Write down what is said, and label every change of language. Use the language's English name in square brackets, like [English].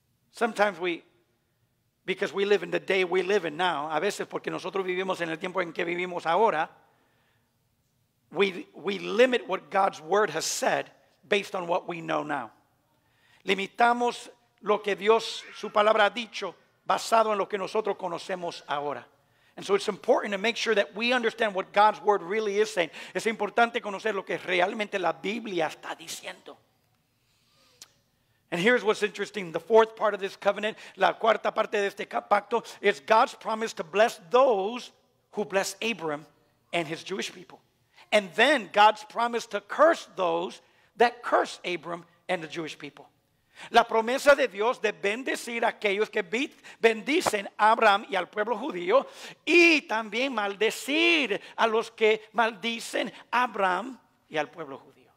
[English] Sometimes because we live in the day we live in now, [Spanish] a veces porque nosotros vivimos en el tiempo en que vivimos ahora, [English] we limit what God's word has said based on what we know now. [Spanish] Limitamos lo que Dios, su palabra ha dicho, basado en lo que nosotros conocemos ahora. [English] And so it's important to make sure that we understand what God's word really is saying. [Spanish] Es importante conocer lo que realmente la Biblia está diciendo. [English] And here's what's interesting. The fourth part of this covenant, [Spanish] la cuarta parte de este pacto, [English] is God's promise to bless those who bless Abram and his Jewish people. And then God's promise to curse those that curse Abram and the Jewish people. [Spanish] La promesa de Dios de bendecir a aquellos que bendicen a Abraham y al pueblo judío, y también maldecir a los que maldicen a Abraham y al pueblo judío.